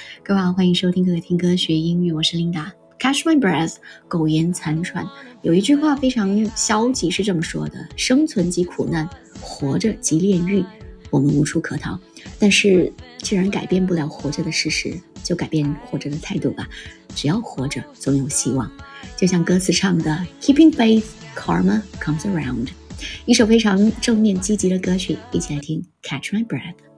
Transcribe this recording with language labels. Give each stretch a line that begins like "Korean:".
Chinese: 各位好，欢迎收听可可听歌学英语，我是 Linda。Catch My Breath， 苟延残喘，有一句话非常消极，是这么说的：生存即苦难，活着即炼狱，我们无处可逃。但是既然改变不了活着的事实，就改变活着的态度吧，只要活着总有希望。就像歌词唱的
English: Keeping faith, karma comes around。
Chinese: 一首非常正面积极的歌曲，一起来听 Catch My Breath。